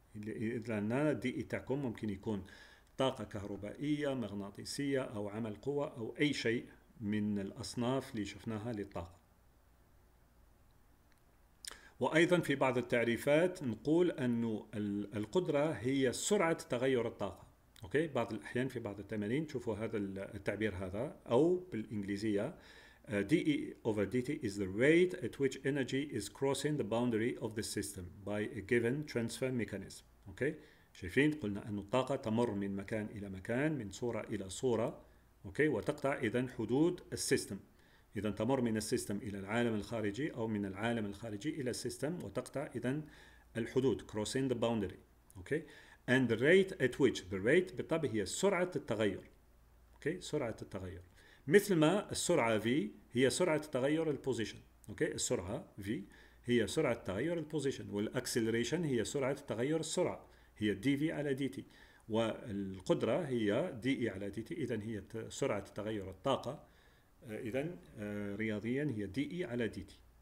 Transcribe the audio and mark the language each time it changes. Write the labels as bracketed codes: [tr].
[ar] إذن دي إتاكم ممكن يكون طاقة كهربائية مغناطيسية أو عمل قوة أو أي شيء من الأصناف اللي شفناها للطاقة. وأيضا في بعض التعريفات نقول أن القدرة هي سرعة تغير الطاقة. أوكي، بعض الأحيان في بعض التمارين تشوفوا هذا التعبير هذا، أو بالإنجليزية [en] dE over dt is the rate at which energy is crossing the boundary of the system by a given transfer mechanism. [ar] أوكي، شايفين قلنا أن الطاقة تمر من مكان إلى مكان، من صورة إلى صورة، أوكي، وتقطع إذن حدود السيستم. إذا تمر من السيستم إلى العالم الخارجي أو من العالم الخارجي إلى السيستم وتقطع إذا الحدود [en] crossing the boundary. Okay. And the rate at which the rate [ar] بالطبع هي سرعة التغير. Okay. سرعة التغير. مثل ما السرعة V هي سرعة تغير البوزيشن. [en] Okay. [ar] السرعة V هي سرعة تغير البوزيشن. والأكسلريشن هي سرعة تغير السرعة. هي dV على dt. والقدرة هي dE على dt. إذا هي سرعة تغير الطاقة. إذن رياضيا هي dE على dt.